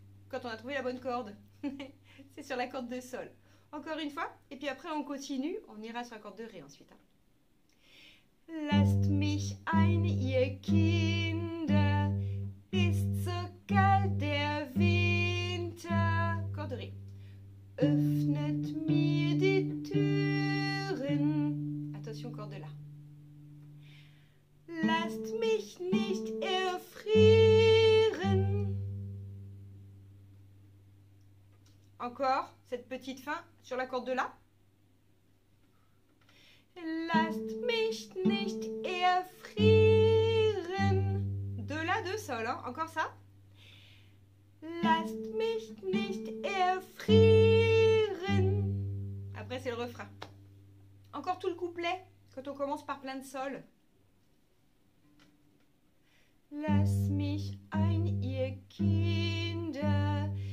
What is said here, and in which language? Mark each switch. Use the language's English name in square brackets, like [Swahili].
[French] Quand on a trouvé la bonne corde, c'est sur la corde de sol. Encore une fois, et puis après on continue, on ira sur la corde de ré ensuite. [German] Lasst mich ein, ihr Kinder, ist so kalt der Winter. [French] Corde de ré. [German] Öffnet mir die Türen. [French] Attention, corde de la. [German] Lasst mich nicht erfrieren. [French] Encore cette petite fin sur la corde de La. [German] Lasst mich nicht erfrieren. [French] De La, de Sol, hein? Encore ça. [German] Lasst mich nicht erfrieren. [French] Après, c'est le refrain. Encore tout le couplet quand on commence par plein de Sol. [German] Lasst mich ein, ihr Kinder.